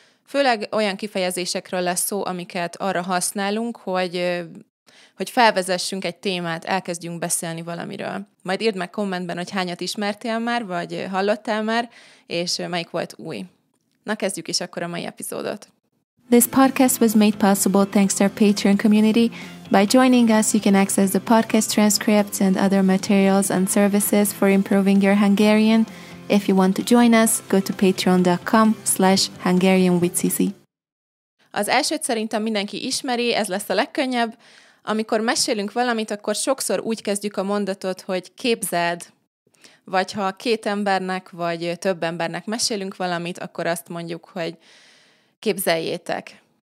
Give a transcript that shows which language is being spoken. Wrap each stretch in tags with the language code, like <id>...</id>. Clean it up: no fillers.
<hu>Főleg olyan kifejezésekről lesz szó, amiket arra használunk, hogy felvezessünk egy témát, elkezdjünk beszélni valamiről. Majd írd meg kommentben, hogy hányat ismertél már, vagy hallottál már, és melyik volt új. Na, kezdjük is akkor a mai epizódot.</hu> <en>This podcast was made possible thanks to our Patreon community. By joining us, you can access the podcast transcripts and other materials and services for improving your Hungarian. If you want to join us, go to patreon.com/hungarianwithcici.</en> <hu>Az elsőt szerintem mindenki ismeri, ez lesz a legkönnyebb. Amikor mesélünk valamit, akkor sokszor úgy kezdjük a mondatot, hogy képzeld. Vagy ha két embernek, vagy több embernek mesélünk valamit, akkor azt mondjuk, hogy képzeljétek.</hu>